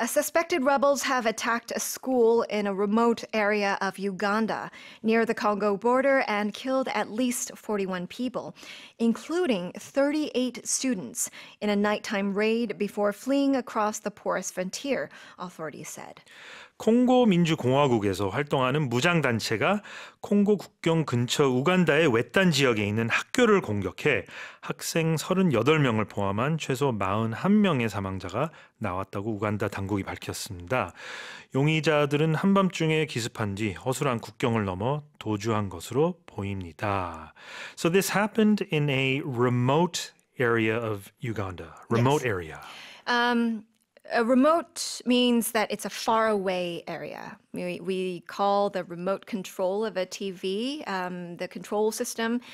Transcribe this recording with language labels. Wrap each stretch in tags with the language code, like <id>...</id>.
<en>Suspected rebels have attacked a school in a remote area of Uganda near the Congo border and killed at least 41 people, including 38 students, in a nighttime raid before fleeing across the porous frontier, authorities said.</en> <ko>콩고민주공화국에서 활동하는 무장단체가 콩고 국경 근처 우간다의 외딴 지역에 있는 학교를 공격해 학생 38명을 포함한 최소 41명의 사망자가 나왔다고 우간다 당국이 밝혔습니다. 용의자들은 한밤중에 기습한 뒤 허술한 국경을 넘어 도주한 것으로 보입니다.</ko> <en>So this happened in a remote area of Uganda. Remote yes. area. A remote means that it's a far away area. We call the remote control of a TV, the control system.</en>